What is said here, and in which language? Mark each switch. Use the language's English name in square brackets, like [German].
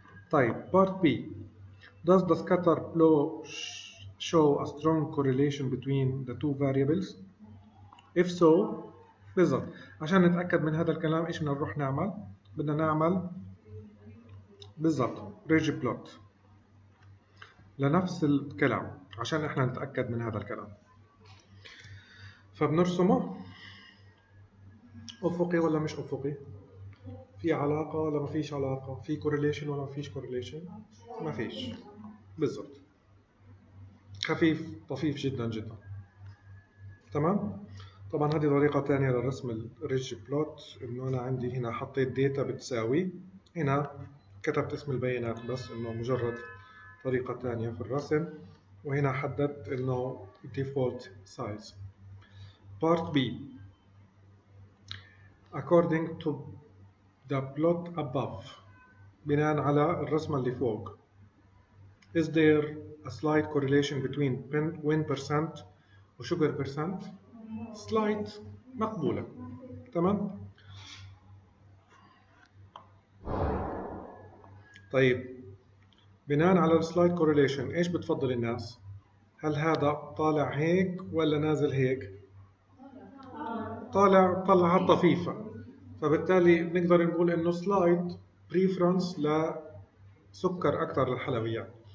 [Arabic] طيب بارت بي، [English] does the scatter plot show a strong correlation between the two variables؟ if so [Arabic] بالضبط. عشان نتأكد من هذا الكلام ايش بدنا نروح نعمل؟ بدنا نعمل بالضبط ريجبلوت لنفس الكلام عشان احنا نتأكد من هذا الكلام. فبنرسمه افقي ولا مش افقي، في علاقة ولا ما فيش علاقة، في correlation ولا ما فيش correlation، ما فيش بالضبط، خفيف طفيف جدا جدا تمام. طبعا هذه طريقة تانية لرسم الريجي بلوت، انه انا عندي هنا حطيت داتا بتساوي، هنا كتبت اسم البيانات بس انه مجرد طريقة تانية في الرسم، وهنا حددت انه default size. [English] part b according to the plot above، [Arabic] بناء على الرسمة اللي فوق، [English] is there a slight correlation between wind percent and sugar percent؟ slight [Arabic] مقبولة تمام. طيب بناء على slight correlation ايش بتفضل الناس؟ هل هذا طالع هيك ولا نازل هيك؟ طالع طلعات طفيفة، فبالتالي نقدر نقول انه سلايد بريفرنس لسكر اكثر للحلويات.